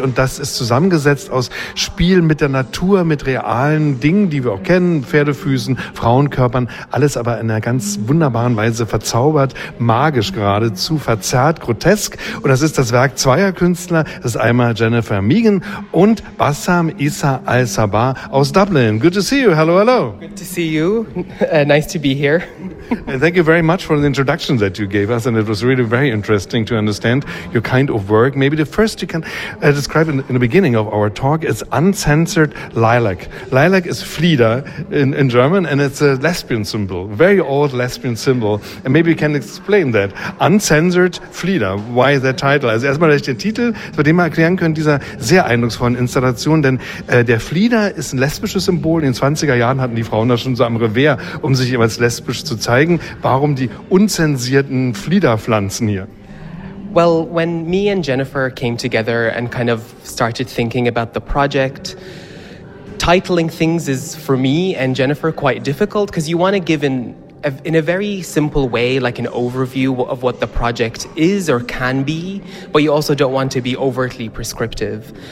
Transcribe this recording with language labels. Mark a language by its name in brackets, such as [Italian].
[German] Und das ist zusammengesetzt aus Spielen mit der Natur, mit realen Dingen, die wir auch kennen, Pferdefüßen, Frauenkörpern, alles aber in einer ganz wunderbaren Weise verzaubert, magisch geradezu, verzerrt, grotesk. Und das ist das Werk zweier Künstler. Das ist einmal Jennifer Meegan und Bassam Issa Al-Sabah aus Dublin. [English] Good to see you. Hello, hello. Good to see you. Nice to be here. And thank you very much for the introduction that you gave us. And it was really very interesting to understand your kind of work. Maybe the first you can describe in the beginning of our talk is Uncensored Lilac. Lilac is Flieder in German, and it's a lesbian symbol. Very old lesbian symbol. And maybe you can explain that. Uncensored Flieder. Why that title? [German] Also erstmal, dass ich den Titel zu dem mal erklären können, dieser sehr eindrucksvollen Installation. Denn der Flieder ist ein lesbisches Symbol. In den 20er Jahren hatten die Frauen da schon so am Revers, um sich immer als lesbisch zu zeigen. Warum die unzensierten Fliederpflanzen hier? [English] Well, when me and Jennifer came together and kind of started thinking about the project, titling things is, for me and Jennifer, quite difficult because you want to give in a very simple way, like an overview of what the project is or can be, but you also don't want to be overtly prescriptive.